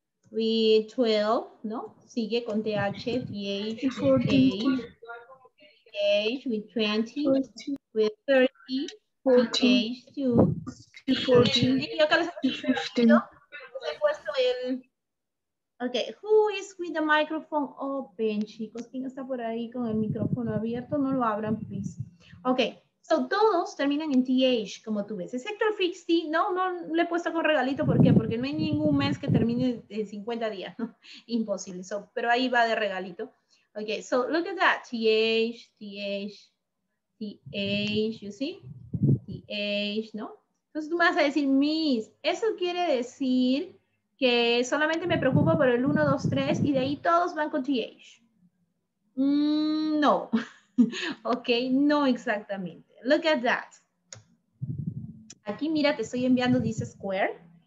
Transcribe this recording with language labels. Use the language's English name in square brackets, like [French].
[English] With 12, [Spanish] ¿no? Sigue con TH, TH, TH, TH, [English] with 20, with 30, [Spanish] TH, 14. Y acá les he puesto el... [English] Ok, who is with the microphone open, [Spanish] chicos? ¿Quién está por ahí con el micrófono abierto? No lo abran, please. [English] Ok, so [Spanish] todos terminan en TH, como tú ves. Excepto el 50, no le he puesto con regalito, ¿por qué? Porque no hay ningún mes que termine en 50 días, ¿no? Imposible, so, pero ahí va de regalito. [English] Ok, so look at that, TH, TH, TH, you see? [Spanish] TH, ¿no? Entonces tú me vas a decir, Miss, eso quiere decir que solamente me preocupo por el 1, 2, 3 y de ahí todos van con TH. No. Ok, no exactamente. [English] Look at that. [Spanish] Aquí mira, te estoy enviando [English] this square.